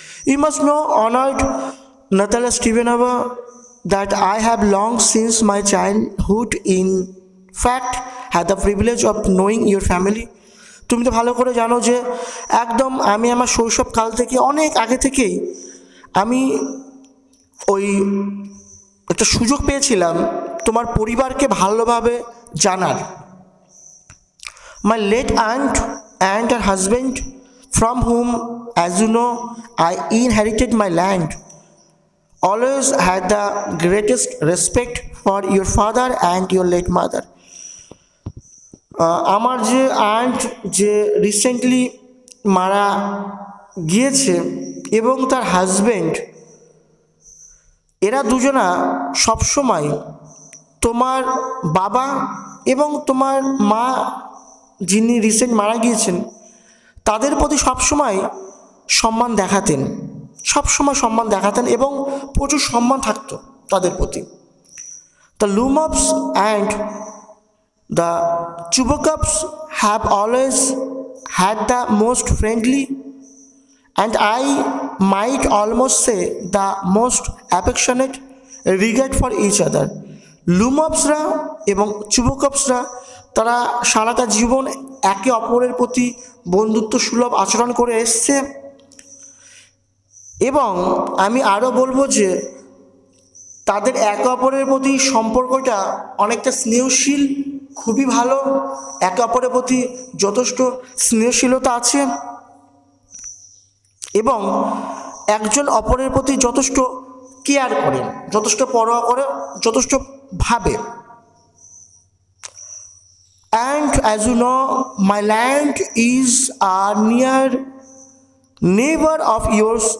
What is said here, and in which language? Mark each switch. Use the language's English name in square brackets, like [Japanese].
[English] You must know honoured Natalia Stefanova that I have long since my childhood in fact had the privilege of knowing your family. [Bangla] তুমি তো ভালো করে জানো যে একদম আমি আমার শৈশবকাল থেকে অনেক আগে থেকেই আমি ওই একটা সুযোগ পেয়েছিলাম তোমার পরিবারকে ভালোভাবে জানার। [English] My late aunt and her husband, from whom, as you know, I inherited my land, always had the greatest respect for your father and your late mother. [Bangla] Amar je aunt je recently mara giyeche ebong tar husband, era dujona sob shomoy tomar baba ebong tomar ma যিনি recent মারা গিয়েছেন তাদের প্রতি সবসময় সম্মান দেখাতেন, সবসময় সম্মান দেখাতেন এবং প্রচুর সম্মান থাকত তাদের প্রতি। [English] The Lumaps and the Chubkaps have always had the most friendly and I might almost say the most affectionate regard for each other. [Bangla] লুমাপসরা এবং চুবকাপসরা তারা সারাটা জীবন একে অপরের প্রতি বন্ধুত্ব সুলভ আচরণ করে এসছে এবং আমি আরও বলবো যে তাদের একে অপরের প্রতি সম্পর্কটা অনেকটা স্নেহশীল, খুবই ভালো, একে অপরের প্রতি যথেষ্ট স্নেহশীলতা আছে এবং একজন অপরের প্রতি যথেষ্ট কেয়ার করে, যথেষ্ট পরোয়া করে, যথেষ্ট ভাবে। [English] And as you know, my land is a near neighbor of yours.